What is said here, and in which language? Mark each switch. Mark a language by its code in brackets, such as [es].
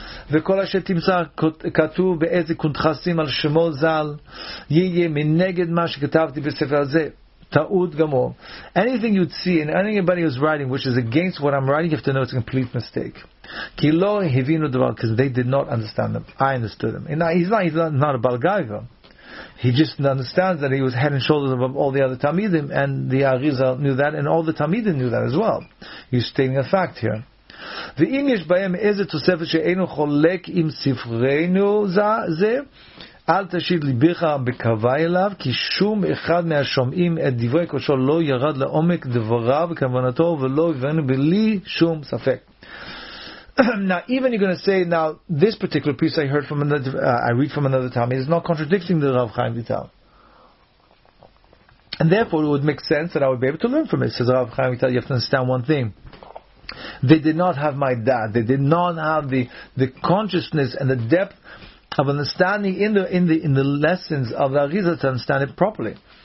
[he] וכל אשר תמצא כתוב באיזה קונטרסים על שמו זל יהיה מנגד מה שכתבתי בספר הזה טעות גמור. [en] Anything you'd see and anybody who's writing which is against what I'm writing, you have to know it's a complete mistake. [he] כי לא הבינו דבר, [en] because they did not understand them. I understood them. And he's not a Balgaiva. He just understands that he was head and shoulders above all the other Tamidim, and the Arizal knew that, and all the Tamidim knew that as well. He's stating a fact here. [he] ואם יש בהם איזה תוספת שאינו חולק עם ספרנו זה, אל תשאיר ליבך בקווה אליו, כי שום אחד מהשומעים את דברי קודשו לא ירד לעומק דבריו וכוונתו ולא הבנו בלי שום ספק. [en] Now, even you're going to say, now, this particular piece I heard from another, I read from another Talmid, is not contradicting the Rav Chaim Vital. And therefore, it would make sense that I would be able to learn from it. Says Rav Chaim Vital, you have to understand one thing. They did not have my dad. They did not have the consciousness and the depth of understanding in the lessons of the Arizal to understand it properly.